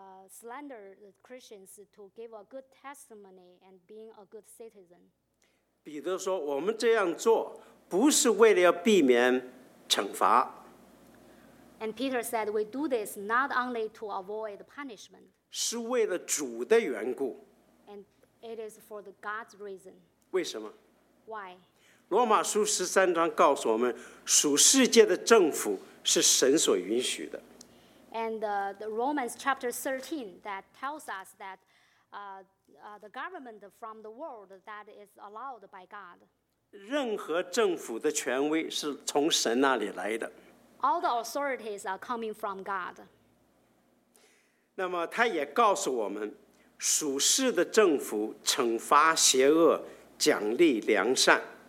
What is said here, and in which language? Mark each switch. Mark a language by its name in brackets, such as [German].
[English] Slander Christians to give a good testimony and being a good citizen. [Chinese] 彼得说，我们这样做不是为了要避免惩罚。 [English] And Peter said, we do this not only to avoid punishment. [Chinese] 是为了主的缘故。 [English] And it is for the God's reason. [Chinese] 为什么？ [English] Why? [Chinese] 罗马书十三章告诉我们，属世界的政府是神所允许的。 [English] And the Romans chapter 13 that tells us that the government from the world that is allowed by God. [Chinese] 任何政府的权威是从神那里来的。 [English] All the authorities are coming from God. [Chinese] 那么他也告诉我们，属世的政府惩罚邪恶，奖励良善。